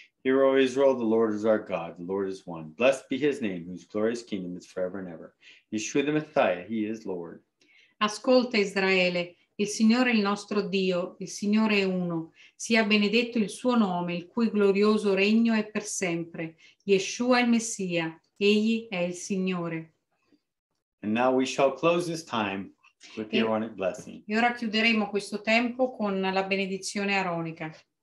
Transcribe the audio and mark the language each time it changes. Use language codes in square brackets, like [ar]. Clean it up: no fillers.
[en] Hear, O Israel, the Lord is our God, the Lord is one. Blessed be his name, whose glorious kingdom is forever and ever. Yeshua the Messiah, he is Lord. [it] Ascolta, Israele, il Signore è il nostro Dio, il Signore è uno. Sia benedetto il suo nome, il cui glorioso regno è per sempre. Yeshua il Messia, egli è il Signore. [en] And now we shall close this time with the Aaronic blessing. [it] E ora chiuderemo questo tempo con la benedizione aronica.